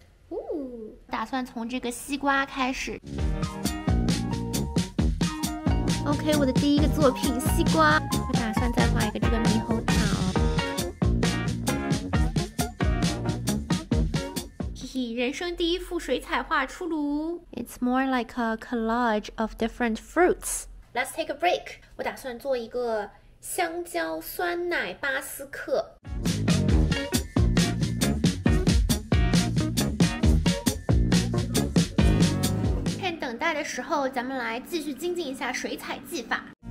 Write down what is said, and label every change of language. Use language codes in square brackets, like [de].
[zh] 哦，打算从这个西瓜开始。 OK， 我的第一个作品西瓜。我打算再画一个这个猕猴桃。嘿嘿，人生第一幅水彩画出炉。 [en] It's more like a collage of different fruits。 Let's take a break。 [zh] 我打算做一个香蕉酸奶巴斯克。趁等待的时候，咱们来继续精进一下水彩技法。